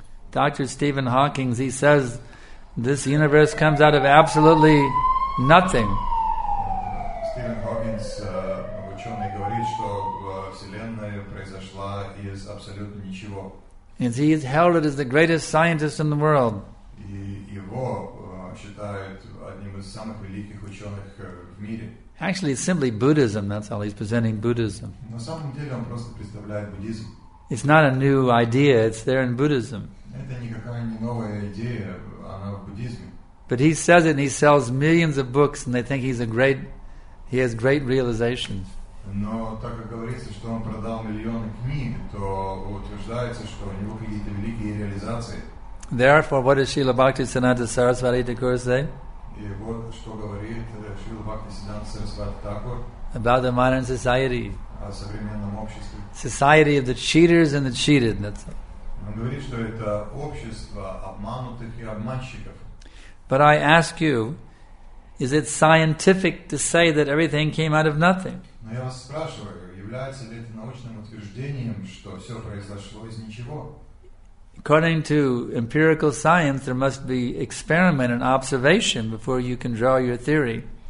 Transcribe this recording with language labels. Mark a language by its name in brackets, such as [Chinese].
[English] Dr. Stephen Hawking, he says this universe comes out of absolutely nothing. [Russian] Stephen Hawking, ученый, говорит, что Вселенная произошла из абсолютно ничего. [English] And he is heralded as the greatest scientist in the world. [Russian] И его считают одним из самых великих ученых в мире. [English] Actually, it's simply Buddhism, that's all. He's presenting Buddhism. [Russian] На самом деле он просто представляет буддизм. [English] It's not a new idea, it's there in Buddhism. [Russian] Это никакая не новая идея, она в буддизме. [English] But he says it and he sells millions of books and they think he has great realizations. [Russian] Но так как говорится, что он продал миллионы книг, то утверждается, что у него какие-то великие реализации. [English] Therefore, what does Srila Bhaktisiddhanta Sarasvati Thakur say? [Russian] И вот что говорит Srila Bhaktisiddhanta Sarasvati Thakur. [English] About the modern society. [Russian] О современном обществе. [English] Society of the cheaters and the cheated. That's all. [Russian] Он говорит, что это общество обманутых и обманщиков. [English] But I ask you, is it scientific to say that everything came out of nothing? [Russian] Но я вас спрашиваю, является ли это научным утверждением, что все произошло из ничего? [English] According to empirical science, there must be experiment and observation before you can draw your theory.